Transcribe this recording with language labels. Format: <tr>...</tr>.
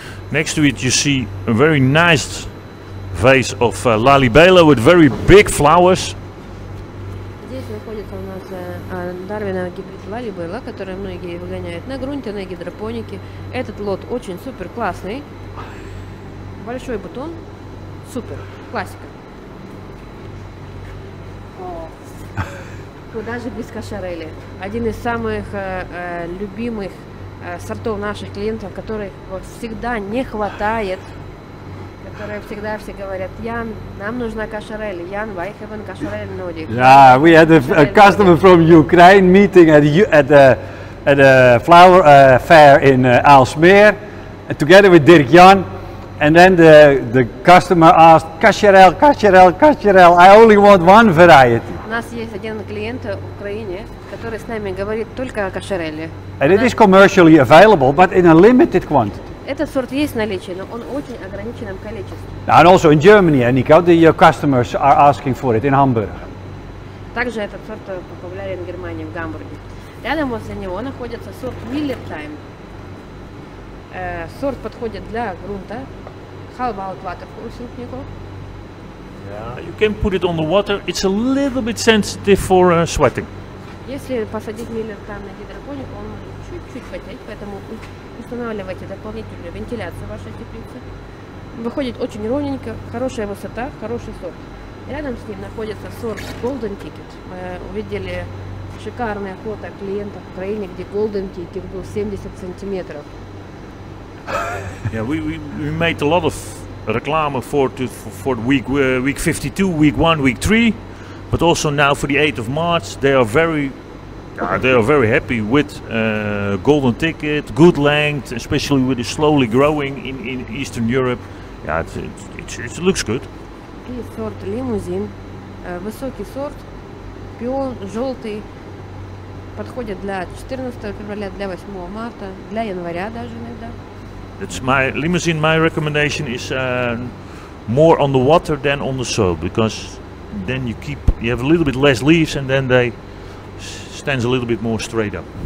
<en>Next to it, you see a very nice vase of Lalibela with very big flowers.</en> <ru>Здесь находится у нас Дарвиновый гибрид Лалибела, который многие выгоняют на грунте, на гидропонике. Этот лот очень супер классный. Большой бутон. Супер. Классика. Даже без кошарели. Один из самых любимых сортов наших клиентов, которых всегда не хватает. Которые всегда все говорят, Ян, нам нужна кошарели.</ru> <en>Ян, why have a кошарели нодик? Yeah, we had a customer from Ukraine meeting at a flower fair in Aalsmeer, together with Dirk Jan. And then the customer asked, kasherel, I only want one variety.</en> <ru>У нас есть один клиент в Украине, который с нами говорит только о кошереле.</ru> <en>And it is commercially available, but in a limited quantity.</en> <ru>Этот сорт есть в наличии, но он очень ограниченном количестве.</ru> <en>And also in Germany, Nico, your customers are asking for it in Hamburg.</en> <ru>Также этот сорт популярен в Германии, в Гамбурге. Рядом возле него находится сорт Millertime. Сорт подходит для грунта.</ru> <en>How about water forcing, Nico? Yeah, you can put it on the water. It's a little bit sensitive for sweating.</en> <ru>Если посадить миллер там на гидропоник, он чуть-чуть потеть, поэтому устанавливайте дополнительную вентиляцию вашей теплицы. выходит очень ровненько, хорошая высота, хороший сорт. Рядом с ним находится сорт Golden Ticket. Мы увидели шикарное фото клиента в Украине, где Golden Ticket был 70 сантиметров.</ru> <en>Yeah, we made a lot of reklame for week 52, week 1, week 3, but also now for the 8th of March, they are very happy with Golden Ticket, good length, especially with the slowly growing in Eastern Europe. Yeah, it looks good.</en> <ru>И сорт Лимузин, высокий сорт, пион, желтый, подходит для 14 февраля, для 8 марта, для января даже иногда.</ru> <en>That's my limousine. My recommendation is more on the water than on the soil, because then you have a little bit less leaves, and then they stands a little bit more straight up.</en>